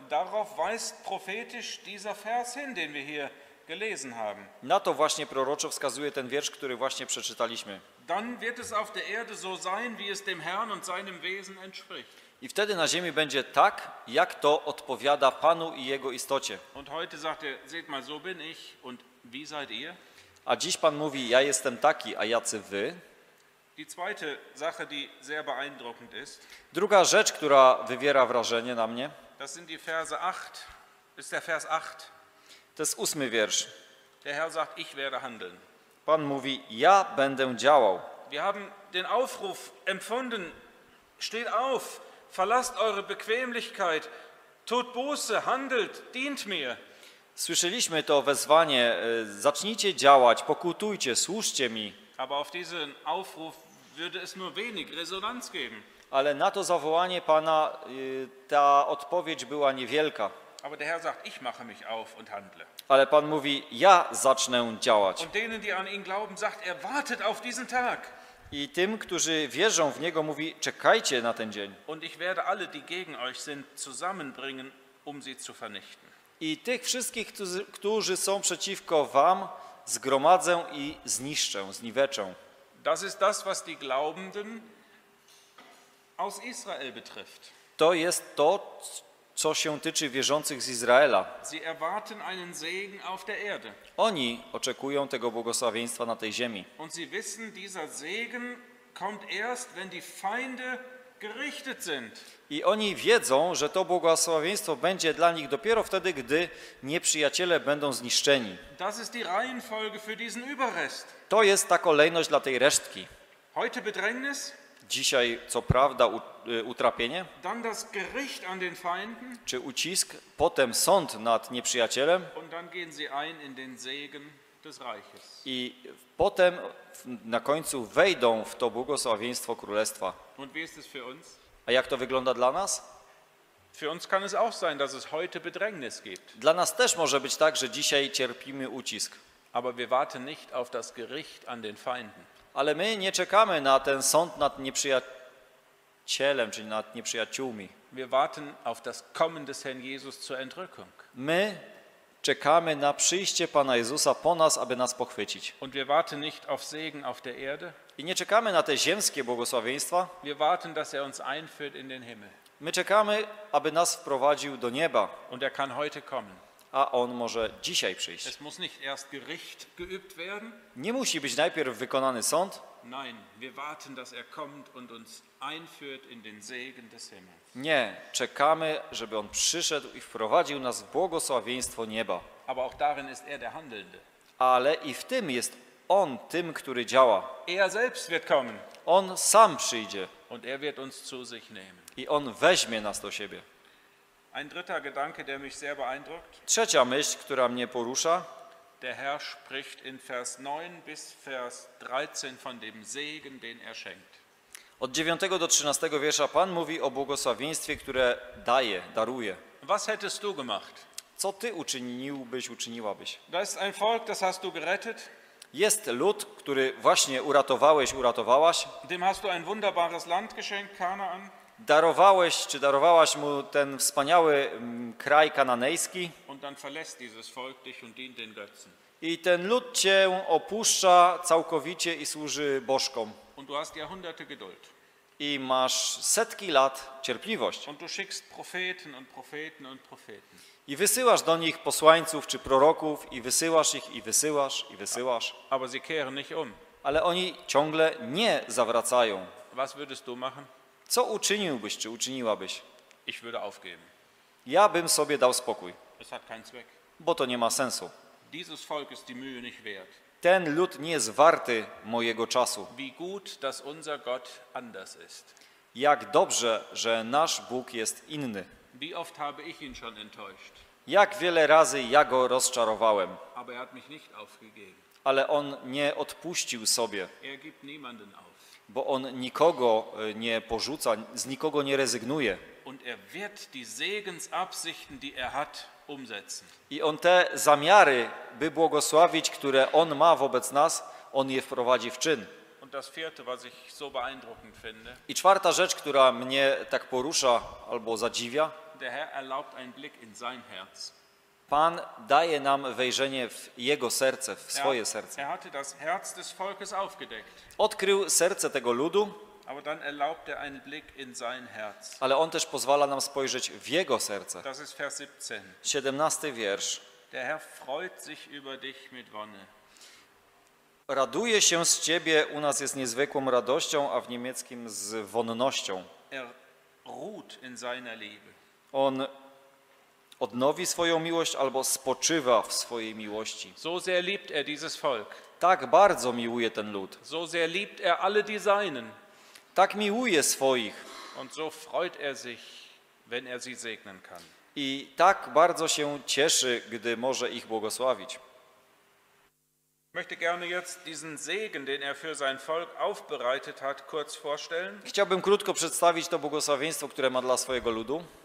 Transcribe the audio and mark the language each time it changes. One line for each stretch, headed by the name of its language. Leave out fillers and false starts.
German: Darauf weist prophetisch dieser Vers hin, den wir hier gelesen haben.
Polish: Na to właśnie proroczo wskazuje ten wiersz, który właśnie przeczytaliśmy.
German: Dann wird es auf der Erde so sein, wie es dem Herrn und seinem Wesen entspricht.
Polish: I wtedy na ziemi będzie tak, jak to odpowiada Panu i jego istocie.
German: Und heute sagt er, seht mal, so bin ich und wie seid ihr?
Polish: A dziś Pan mówi, ja jestem taki, a jacy wy?
German: Die zweite Sache, die sehr beeindruckend ist.
Polish: Druga rzecz, która wywiera wrażenie na mnie.
German: Das sind die Verse 8. Ist der Vers 8.
Polish: To jest ósmy wiersz.
German: Der Herr sagt, ich werde handeln.
Polish: Pan mówi, ja będę działał.
German: Wir haben den Aufruf empfunden. Steht auf, verlasst eure Bequemlichkeit, tut Buße, handelt, dient mir.
Polish: Słyszeliśmy to wezwanie, zacznijcie działać, pokutujcie, służcie mi.
German: Aber auf diesen Aufruf würde es nur wenig Resonanz geben.
Polish: Ale na to zawołanie Pana ta odpowiedź była niewielka.
German: Aber der Herr sagt, ich mache mich auf und handle.
Polish: Ale Pan mówi, ja zacznę działać.
German: Und denen, die an ihn glauben, sagt er, wartet auf diesen Tag.
Polish: I tym, którzy wierzą w Niego, mówi, czekajcie na ten dzień.
German: Und ich werde alle, die gegen euch sind, zusammenbringen, um sie zu vernichten.
Polish: I tych wszystkich, którzy są przeciwko wam, zgromadzę i zniszczę, zniweczę.
German: Das ist das, was die Glaubenden aus Israel betrifft.
Polish: To jest to, co się tyczy wierzących z Izraela.
German: Sie erwarten einen Segen auf der Erde.
Polish: Oni oczekują tego błogosławieństwa na tej ziemi.
German: Und sie wissen, dieser Segen kommt erst, wenn die Feinde gerichtet sind.
Polish: I oni wiedzą, że to błogosławieństwo będzie dla nich dopiero wtedy, gdy nieprzyjaciele będą zniszczeni.
German: Das ist die Reihenfolge für diesen Überrest.
Polish: To jest ta kolejność dla tej resztki.
German: Heute Bedrängnis.
Polish: Dzisiaj, co prawda, utrapienie,
German: dann das Gericht an den Feinden,
Polish: czy ucisk, potem sąd nad nieprzyjacielem
German: und dann gehen sie ein in den Segen des Reiches.
Polish: I potem na końcu wejdą w to błogosławieństwo Królestwa.
German: Und wie ist es für uns?
Polish: A jak to wygląda dla nas?
German: Für uns kann es auch sein, dass es heute Bedrängnis gibt.
Polish: Dla nas też może być tak, że dzisiaj cierpimy ucisk.
German: Aber wir warten nicht auf das Gericht an den Feinden.
Polish: Ale my nie czekamy na ten sąd nad nieprzyjacielem, czyli nad nieprzyjaciółmi.
German: Wir warten auf das Kommen des Herrn Jesus zur Entrückung.
Polish: My czekamy na przyjście Pana Jezusa po nas, aby nas pochwycić.
German: Und wir warten nicht auf Segen auf der Erde.
Polish: I nie czekamy na te ziemskie błogosławieństwa.
German: Wir warten, dass er uns einführt in den Himmel.
Polish: My czekamy, aby nas wprowadził do nieba.
German: Und er kann heute kommen.
Polish: a on może dzisiaj przyjść.
German: Es muss nicht erst Gericht geübt werden.
Polish: Nie musi być najpierw wykonany sąd.
German: Nein, wir warten, dass er kommt und uns einführt in den Segen des Himmels.
Polish: Nie, czekamy, żeby on przyszedł i wprowadził nas w błogosławieństwo nieba.
German: Aber auch darin ist er der Handelnde.
Polish: Ale i w tym jest on tym, który działa.
German: Er selbst wird kommen.
Polish: On sam przyjdzie.
German: Und er wird uns zu sich nehmen.
Polish: I on weźmie nas do siebie.
German: Ein dritter Gedanke, der mich sehr beeindruckt.
Polish: Trzecia myśl, która mnie porusza.
German: Der Herr spricht in Vers 9 bis Vers 13 von dem Segen, den er schenkt.
Polish: Od 9 do 13 wiersza Pan mówi o błogosławieństwie, które daje, daruje.
German: Was hättest du gemacht?
Polish: Co ty uczyniłbyś, uczyniłabyś?
German: Da ist ein Volk, das hast du gerettet.
Polish: Jest lud, który właśnie uratowałeś, uratowałaś.
German: Dem hast du ein wunderbares Land geschenkt, Kanaan.
Polish: Darowałeś, czy darowałaś mu ten wspaniały kraj kananejski.
German: Und dann verlässt dieses Volk dich und dient den Götzen.
Polish: I ten lud cię opuszcza całkowicie i służy bożkom.
German: Und du hast Jahrhunderte Geduld.
Polish: I masz setki lat cierpliwość.
German: Und du schickst Propheten und Propheten und Propheten.
Polish: I wysyłasz do nich posłańców czy proroków i wysyłasz ich i wysyłasz i wysyłasz.
German: Aber sie kehren nicht um.
Polish: Ale oni ciągle nie zawracają.
German: Was würdest du machen?
Polish: Co uczyniłbyś, czy uczyniłabyś?
German: Ich würde aufgeben.
Polish: Ja bym sobie dał spokój.
German: Es hat keinen Zweck.
Polish: Bo to nie ma sensu.
German: Dieses Volk ist die Mühe nicht wert.
Polish: Ten lud nie jest warty mojego czasu.
German: Wie gut, dass unser Gott anders ist.
Polish: Jak dobrze, że nasz Bóg jest inny.
German: Wie oft habe ich ihn schon enttäuscht.
Polish: Jak wiele razy ja go rozczarowałem.
German: Aber er hat mich nicht aufgegeben.
Polish: Ale on nie odpuścił sobie.
German: Er gibt niemanden auf.
Polish: Bo on nikogo nie porzuca, z nikogo nie rezygnuje.
German: Und er wird die Segensabsichten, die er hat, umsetzen.
Polish: I on te zamiary, by błogosławić, które on ma wobec nas, on je wprowadzi w czyn.
German: Und das vierte, was ich so beeindruckend finde,
Polish: i czwarta rzecz, która mnie tak porusza albo zadziwia.
German: Der Herr erlaubt einen Blick in sein Herz.
Polish: Pan daje nam wejrzenie w jego serce, w swoje serce.
German: Er hatte das Herz des Volkes aufgedeckt.
Polish: Odkrył serce tego ludu.
German: Aber dann erlaubt er einen Blick in sein Herz.
Polish: Ale on też pozwala nam spojrzeć w jego serce.
German: Das ist Vers 17.
Polish: 17 wiersz.
German: Der Herr freut sich über dich mit Wonne.
Polish: Raduje się z ciebie, u nas jest niezwykłą radością, a w niemieckim z wonnością.
German: Er ruht in seiner Liebe.
Polish: On odnowi swoją miłość albo spoczywa w swojej miłości.
German: So sehr liebt er dieses Volk.
Polish: Tak bardzo miłuje ten lud.
German: So sehr liebt er alle die Seinen.
Polish: Tak miłuje swoich.
German: Und so freut er sich, wenn er sie segnen kann.
Polish: I tak bardzo się cieszy, gdy może ich błogosławić.
German: Möchte gerne jetzt diesen Segen, den er für sein Volk aufbereitet hat, kurz vorstellen.
Polish: Chciałbym krótko przedstawić to błogosławieństwo, które ma dla swojego ludu.